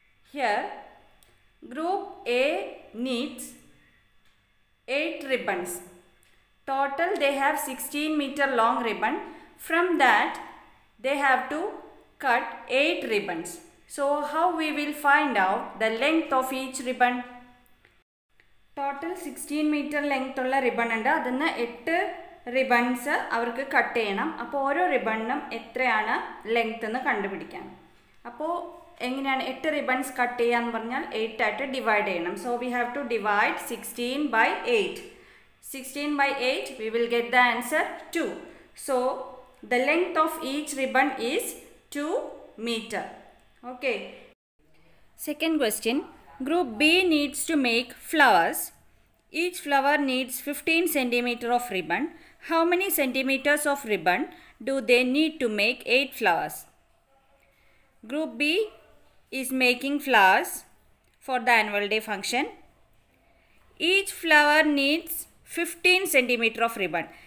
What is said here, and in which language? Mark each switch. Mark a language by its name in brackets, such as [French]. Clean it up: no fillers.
[English] Here, group A needs 8 ribbons. Total they have 16 m long ribbon. From that, they have to cut 8 ribbons. So, how we will find out the length of each ribbon? [Malayalam] Total 16 m length ഉള്ള ribbon ഉണ്ട്. അതിൽ നിന്ന് 8 ribbons അവർക്ക് cut ചെയ്യണം. അപ്പോൾ ഓരോ റിബണിനും എത്രയാണ് length എന്ന് കണ്ടുപിടിക്കാം. അപ്പോൾ എങ്ങനെയാണ് 8 റിബൺസ് കട്ട് ചെയ്യുക എന്ന് പറഞ്ഞാൽ 8 ആയിട്ട് ഡിവൈഡ് ചെയ്യണം. [English] So we have to divide 16 by 8. 16 by 8, we will get the answer 2. So the length of each ribbon is 2 m. Okay, second question, Group B needs to make flowers. Each flower needs 15 cm of ribbon. How many centimeters of ribbon do they need to make 8 flowers? Group B is making flowers for the annual day function. Each flower needs 15 cm of ribbon.